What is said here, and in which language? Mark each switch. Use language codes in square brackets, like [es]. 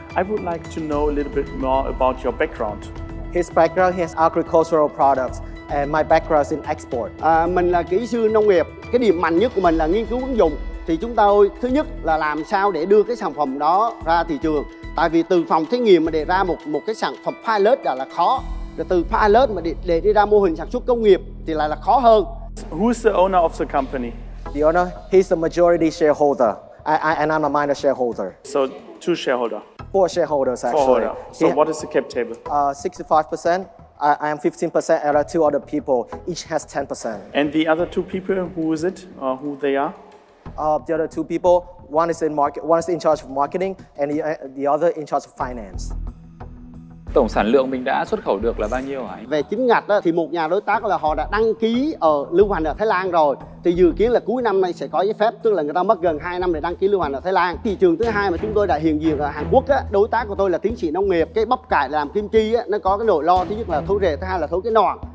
[en] I would like to know a little bit more about your background. His background, he has agricultural products. And my background is in export. [vi] Mình là kỹ sư nông nghiệp. Cái điểm mạnh nhất của mình là nghiên cứu ứng dụng. Thì chúng tôi thứ nhất là làm sao để đưa cái sản phẩm đó ra thị trường. Tại vì từ phòng thí nghiệm mà để ra một cái sản phẩm pilot là khó. Rồi từ pilot mà để đi ra mô hình sản xuất công nghiệp thì lại là khó hơn. [en] Who's the owner of the company? The owner, he's the majority shareholder. And I'm a minor shareholder. So two shareholder. Four shareholders actually. Four holder. So what is the cap table? 65%. I am 15% and two other people. Each has 10%. And the other two people, who is it? Who they are? The other two people, one is in market, one is in charge of marketing, and the other in charge of finance. [vi] Tổng sản lượng mình đã xuất khẩu được là bao nhiêu hả anh? Về chính ngạch thì một nhà đối tác là họ đã đăng ký ở lưu hành ở Thái Lan rồi. Thì dự kiến là cuối năm nay sẽ có giấy phép, tức là người ta mất gần 2 năm để đăng ký lưu hành ở Thái Lan. Thị trường thứ hai mà chúng tôi đã hiện diện ở Hàn Quốc á, đối tác của tôi là tiến sĩ nông nghiệp. Cái bắp cải làm kim chi á, nó có cái nỗi lo, thứ nhất là thối rễ, thứ hai là thối cái nọn.